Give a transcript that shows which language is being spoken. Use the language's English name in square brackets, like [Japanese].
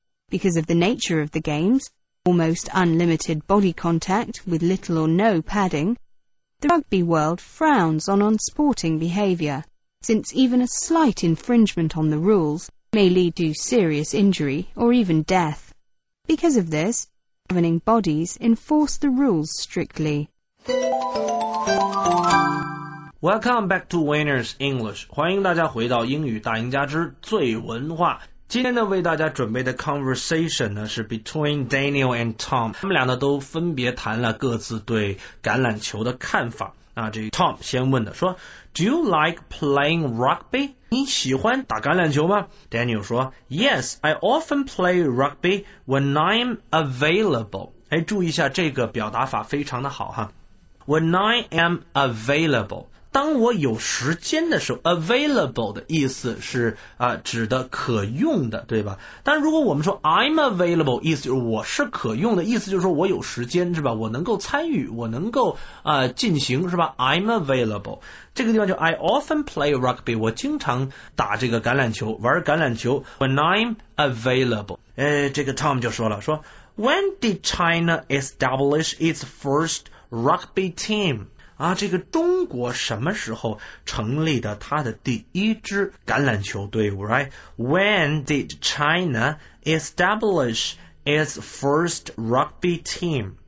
[English] Because of the nature of the games, almost unlimited body contact with little or no padding, the rugby world frowns on unsporting behaviour, since even a slight infringement on the rules,may lead to serious injury or even death. Because of this, governing bodies enforce the rules strictly. Welcome back to Winners English. [Chinese] 欢迎大家回到英语大赢家之最文化。今天呢，为大家准备的 conversation 呢是 [English] between Daniel and Tom. [Chinese] 他们俩呢都分别谈了各自对橄榄球的看法。那这 Tom 先问的说 [English] Do you like playing rugby? [Chinese] 你喜欢打橄榄球吗？ [English] Daniel [Chinese] 说 [English] Yes, I often play rugby when I'm available. [Chinese] 哎，注意一下这个表达法非常的好哈。 [English] When I am available, [Chinese] 当我有时间的时候 available 的意思是、指的可用的，对吧？但如果我们说 [English] I'm available, [Chinese] 意思就是我是可用的，意思就是说我有时间，是吧？我能够参与，我能够、进行，是吧？ [English] I'm available, [Chinese] 这个地方就 [English] I often play rugby, [Chinese] 我经常打这个橄榄球，玩橄榄球 [English] When I'm available, [Chinese] 这个 Tom 就说了，说 [English] When did China establish its first rugby team? [Chinese] 啊，这个中国什么时候成立的他的第一支橄榄球队伍 ？ [English] Right? When did China establish its first rugby team?